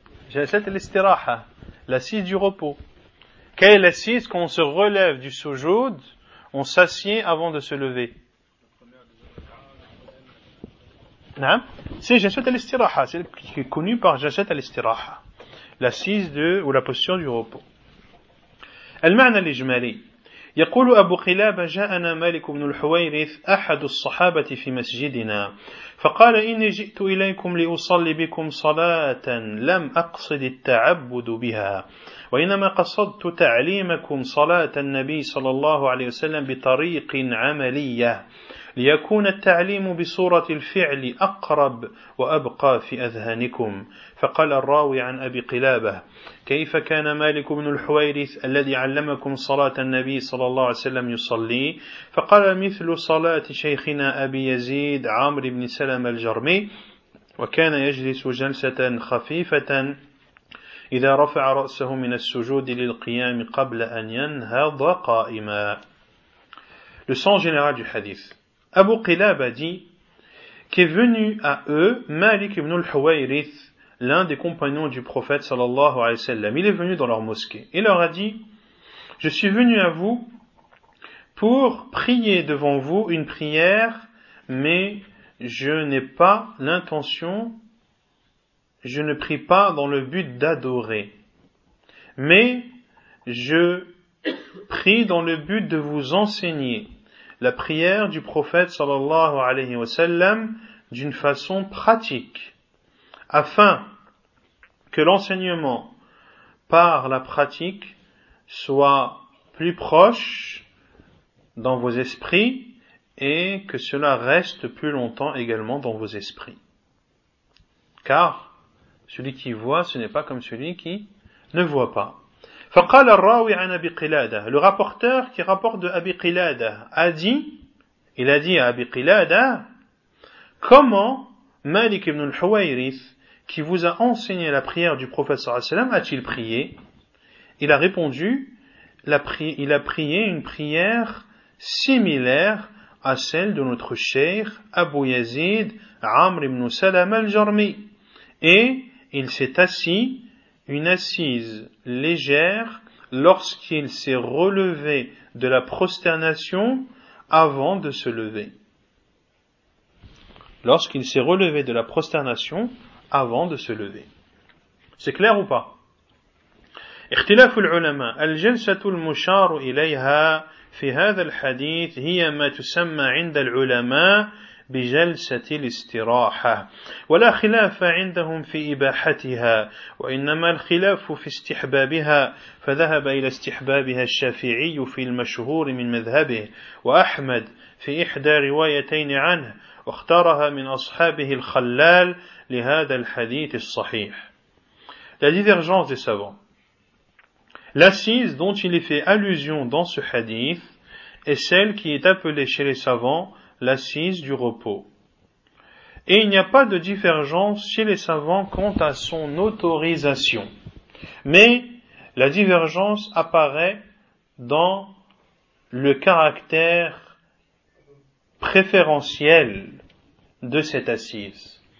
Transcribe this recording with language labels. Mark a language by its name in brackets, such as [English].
[French] Jalsat al-istiraha, l'assise du repos. Quelle est l'assise quand on se relève du sujoud, on s'assied avant de se lever? Non, c'est jalsat al-istiraha, c'est qui est connu par jalsat al-istiraha. L'assise de ou la position du repos. [Arabic] المعنى الإجمالي يقول أبو قلابة جاءنا مالك بن الحويرث أحد الصحابة في مسجدنا فقال إني جئت إليكم لأصلي بكم صلاة لم أقصد التعبد بها وإنما قصدت تعليمكم صلاة النبي صلى الله عليه وسلم بطريق عملية ليكون التعليم بصورة الفعل أقرب وأبقى في أذهانكم فقال الراوي عن أبي قلابة كيف كان مالك بن الحويرث الذي علمكم صلاة النبي صلى الله عليه وسلم يصلي فقال مثل صلاة شيخنا أبي يزيد عمرو بن سلمة الجرمي وكان يجلس جلسة خفيفة إذا رفع رأسه من السجود للقيام قبل أن ينهض قائما. [French] Le sens général du hadith. Abu Qilab a dit qu'est venu à eux Malik ibn al-Huwayrith, l'un des compagnons du prophète sallallahu alayhi wa sallam. Il est venu dans leur mosquée et leur a dit, je suis venu à vous pour prier devant vous une prière, mais je n'ai pas l'intention, je ne prie pas dans le but d'adorer, mais je prie dans le but de vous enseigner la prière du prophète sallallahu alayhi wa sallam d'une façon pratique, afin que l'enseignement par la pratique soit plus proche dans vos esprits et que cela reste plus longtemps également dans vos esprits. Car celui qui voit, ce n'est pas comme celui qui ne voit pas. [Arabic] فقال الراوي عن أبي قلادة. [French] Le rapporteur qui rapporte de Abi Qilada a dit, il a dit à Abi Qilada, comment Malik ibn al-Huwayrith, qui vous a enseigné la prière du prophète sallam, a-t-il prié? Il a répondu, il a prié une prière similaire à celle de notre cheikh Abu Yazid Amr ibn Salam al-Jarmi. Et il s'est assis une assise légère lorsqu'il s'est relevé de la prosternation avant de se lever. Lorsqu'il s'est relevé de la prosternation avant de se lever. C'est clair ou pas? [Arabic] اختلاف العلماء الجلسة المشار إليها في هذا الحديث هي ما تسمى عند العلماء بجلسة الاستراحة ولا خلاف عندهم في إباحتها وإنما الخلاف في استحبابها فذهب إلى استحبابها الشافعي في المشهور من مذهبه وأحمد في إحدى روايتين عنه واختارها من أصحابه الخلال لهذا الحديث الصحيح. [French] La divergence des savants. L'assise dont il fait allusion dans ce hadith est celle qui est appelée chez les savants l'assise du repos. Et il n'y a pas de divergence chez les savants quant à son autorisation. Mais la divergence apparaît dans le caractère préférentiel de cette assise.